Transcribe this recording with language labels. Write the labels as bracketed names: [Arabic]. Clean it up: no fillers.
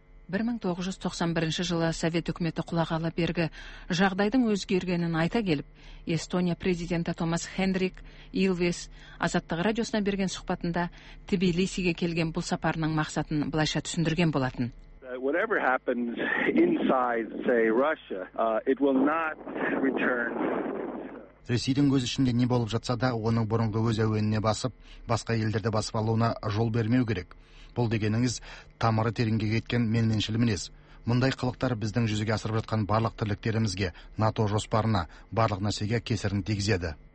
[Kazakh] 1991 жылы Совет үкіметі құлағалы бергі жағдайдың өзгергенін айта келіп, Эстония президенті Томас Хендрик Илвес Азаттық радиосына берген сұхбатында Тбилисиге келген бұл сапарының мақсатын былайша түсіндірген болатын. [English] Whatever happens inside, say, Russia, it will not return. [Kazakh] Ресейдің өз ішінде не болып жатса да, оның бұрынғы өз әуеніне басып, басқа елдерді басып алуына жол бермеу керек. Бұл дегеніңіз тамыры тереңге кеткен менменшіл мінез. Мұндай қылықтар біздің жүзеге асырып жатқан барлық тірліктерімізге, НАТО жоспарына, барлық нәрсеге кесірін тигізеді.